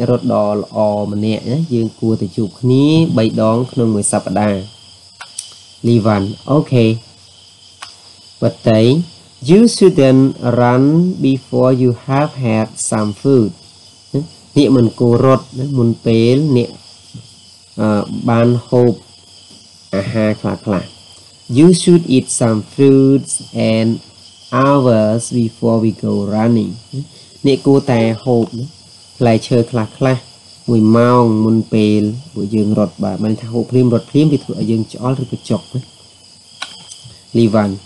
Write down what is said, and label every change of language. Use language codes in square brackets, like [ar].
[km] ប្រសិនបើអ្នកចង់ខ្លាយអ្នករត់ដល់ល្អម្នាក់យើងគួរទៅជួបគ្នា 3 ដង ក្នុង 1 សប្តាហ៍ Lyvann. [en] Okay, but they, you shouldn't run before you have had some food. [km] អ្នកមិនគួររត់មុនពេលអ្នក បាន ហូប អាហារ ខ្លះៗ. [en] You should eat some fruits and hours before we go running. [km] នេះគួរតែហូបផ្លែឈើខ្លះៗមួយម៉ោងមុនពេលពួកយើងរត់បាទមិនថាហូបព្រមរត់ព្រមពីធ្វើឲ្យយើងច្អល់ឬក៏ចុក Lyvann.